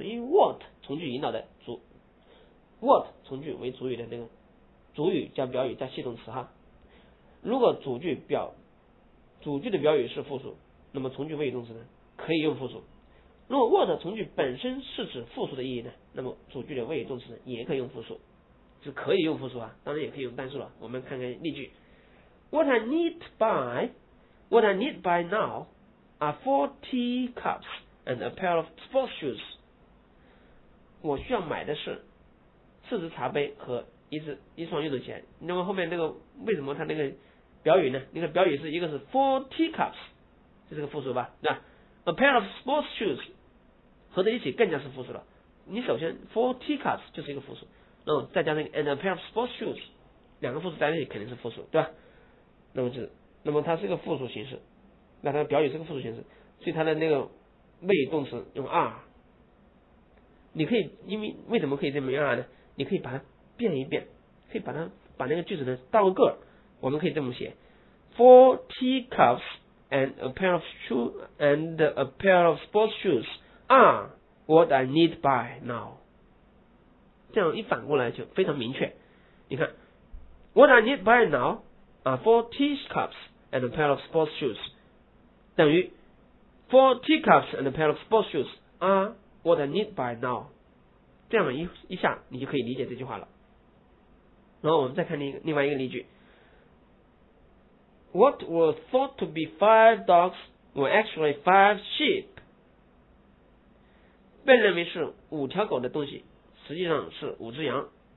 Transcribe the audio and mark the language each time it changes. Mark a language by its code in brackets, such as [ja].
[zh] 因为 what 从句引导的主 ，what 从句为主语的那个主语加表语加系动词哈。如果主句的表语是复数，那么从句谓语动词呢可以用复数。如果 what 从句本身是指复数的意义呢，那么主句的谓语动词呢也可以用复数，是可以用复数啊，当然也可以用单数了。我们看看例句 [en] ，What I need by now are 4 teacups and a pair of sports shoes。 [zh] 我需要买的是40茶杯和一双运动鞋。那么后面那个为什么他那个表语呢，那个表语是一个是 [en] 4 teacups， [zh] 这是个复数吧，对吧？ [en] A pair of sports shoes [zh] 合在一起更加是复数了，你首先 [en] four teacups [zh] 就是一个复数，然后再加那个 [en] and a pair of sports shoes， [zh] 两个复数在一起肯定是复数，对吧？那么就那么它是一个复数形式，那它的表语是个复数形式，所以它的那个谓语动词用 are。你可以，因为为什么可以这么用 are 呢？你可以把它变一变，可以把它把那个句子呢倒个，我们可以这么写 [en] ：four teacups and a pair of shoes and a pair of sports shoes are what I need by now。这样一反过来就非常明确。 [zh] 你看 [en] ，what I need by now are four teacups and a pair of sports shoes [zh] 等于 [en] four teacups and a pair of sports shoes are what I need by now。 [zh] 这样一下你就可以理解这句话了。然后我们再看另外一个例句 [en] What were thought to be five dogs were actually five sheep。 [zh] 被认为是五条狗的东西实际上是五只羊。